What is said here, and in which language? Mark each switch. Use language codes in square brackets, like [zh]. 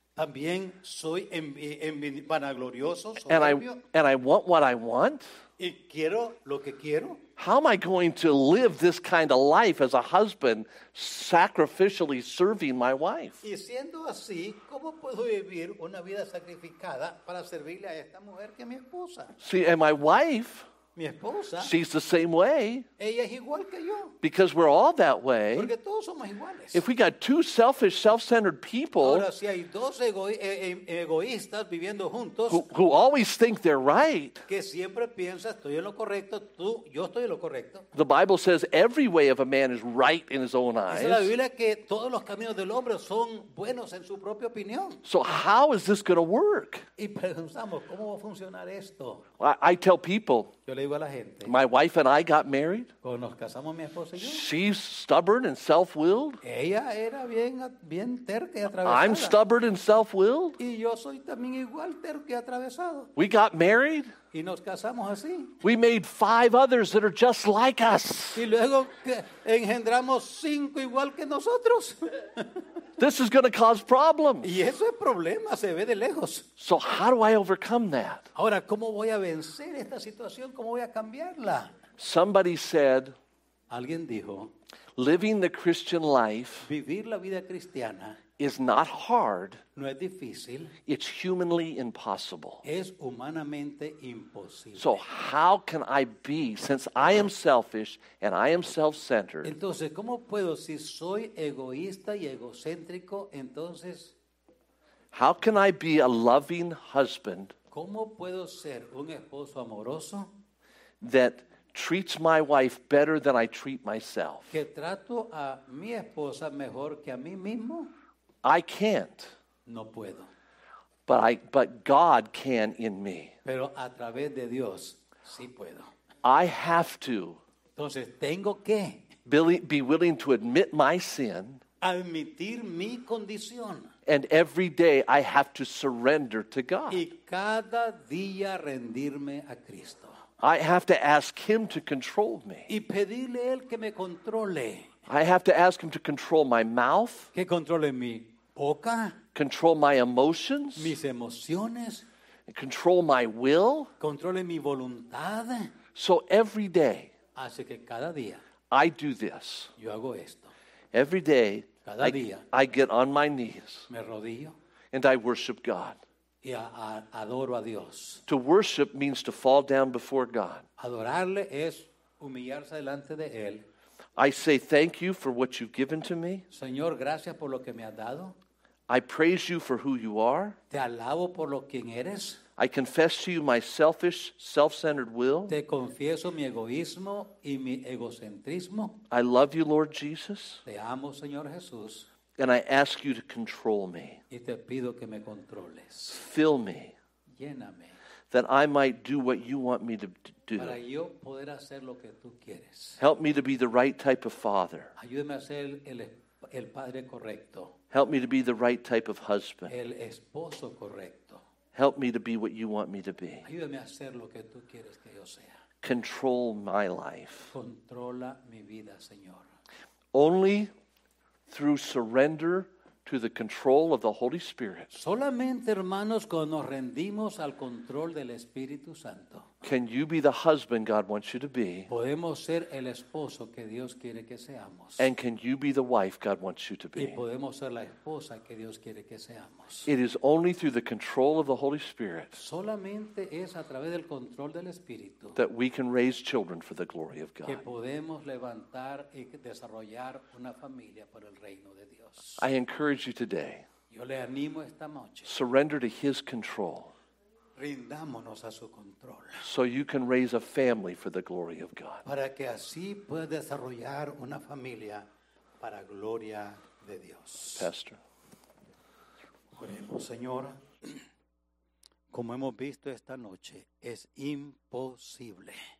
[es] También soy vanaglorioso, soberbio. [en] And I want what I want. [es] Y quiero lo que quiero. [en] How am I going to live this kind of life as a husband, sacrificially serving my wife? [es] Y siendo así, ¿cómo puedo vivir una vida sacrificada para servirle a esta mujer que es mi esposa? [en] See, and my wife, [es] mi esposa, [en] she's the same way. [es] Ella es igual que yo. [en] Because we're all that way. [es] Porque todos somos iguales. [en] If we got two selfish, self-centered people. [es] Ahora, si hay dos egoístas viviendo juntos. [en] Who always think they're right. [es] Que siempre piensa, estoy en lo correcto, tú, yo estoy en lo correcto. [en] The Bible says every way of a man is right in his own eyes. [es] Dice la Biblia que todos los caminos del hombre son buenos en su propia opinión. [en] So how is this going to work? [es] Y pensamos, ¿cómo va a funcionar esto? [en] I tell people, [es] yo le digo a la gente, [en] my wife and I got married. [es] Cuando nos casamos, mi esposa y yo. [en] She's stubborn and self-willed. [es] Ella era bien terca y atravesada. [en] I'm stubborn and self-willed. [es] Y yo soy también igual terco y atravesado. [en] We got married. [es] Y nos casamos así. [en] We made five others that are just like us. [es] Y luego engendramos cinco igual que nosotros. [en] This is going to cause problems. [es] Y eso es problema, se ve de lejos. [en] So how do I overcome that? [es] Ahora, ¿cómo voy a vencer esta situación? ¿Cómo voy a cambiarla? [en] Somebody said, [es] alguien dijo, [en] living the Christian life, [es] vivir la vida cristiana, [en] is not hard. [es] No es difícil. [en] It's humanly impossible. [es] Es humanamente imposible. [en] So how can I be, since I am selfish and I am self-centered? [es] Entonces, ¿cómo puedo, si soy egoísta y egocéntrico, entonces? [en] How can I be a loving husband? [es] ¿Cómo puedo ser un esposo amoroso? [en] That treats my wife better than I treat myself. [es] Que trato a mi esposa mejor que a mí mismo. [en] I can't. [es] No puedo. [en] But God can in me. [es] Pero a través de Dios, sí puedo. [en] I have to. [es] Entonces, tengo que. [en] Be willing to admit my sin. [es] Admitir mi condición. [en] And every day I have to surrender to God. [es] Y cada día rendirme a Cristo. [en] I have to ask him to control me. [es] Y pedirle él que me controle. [en] I have to ask him to control my mouth. [es] Que controle mi boca. [en] Control my emotions. [es] Mis emociones. [en] Control my will. [es] Controle mi voluntad. [en] So every day. [es] Así que cada día. [en] I do this. [es] Yo hago esto. [en] Every day. [es] Cada día. [en] I get on my knees. [es] Me rodillo. [en] And I worship God. [es] Y adoro a Dios. [en] To worship means to fall down before God. [es] Adorarle es humillarse delante de él. [en] I say thank you for what you've given to me. [es] Señor, gracias por lo que me has dado. [en] I praise you for who you are. [es] Te alabo por lo quien eres. [en] I confess to you my selfish, self-centered will. [es] Te confieso mi egoísmo y mi egocentrismo. [en] I love you, Lord Jesus. [es] Te amo, Señor Jesús. [en] And I ask you to control me. [es] Y te pido que me controles. [en] Fill me. [es] Lléname. [en] That I might do what you want me to do. [es] Para yo poder hacer lo que tú quieres. [en] Help me to be the right type of father. [es] Ayúdame a ser el padre correcto. [en] Help me to be the right type of husband. [es] El esposo correcto. [en] Help me to be what you want me to be. [es] Ayúdame a hacer lo que tú quieres que yo sea. [en] Control my life. [es] Controla mi vida, Señor. [en] Only through surrender to the control of the Holy Spirit. [es] Solamente, hermanos, cuando nos rendimos al control del Espíritu Santo. [en] Can you be the husband God wants you to be? [es] Podemos ser el esposo que Dios quiere que seamos. [en] And can you be the wife God wants you to be? [es] Y podemos ser la esposa que Dios quiere que seamos. [en] It is only through the control of the Holy Spirit. [es] Solamente es a través del control del Espíritu. [en] That we can raise children for the glory of God. [es] Que podemos levantar y desarrollar una familia por el reino de Dios. [en] I encourage you today. [es] Yo le animo esta noche. [en] Surrender to his control. [es] Rindámonos a su control. [en] So you can raise a family for the glory of God. [es] Para que así pueda desarrollar una familia para gloria de Dios. [en] Pastor. [es] Oremos, Señor. Como hemos visto esta noche, es imposible.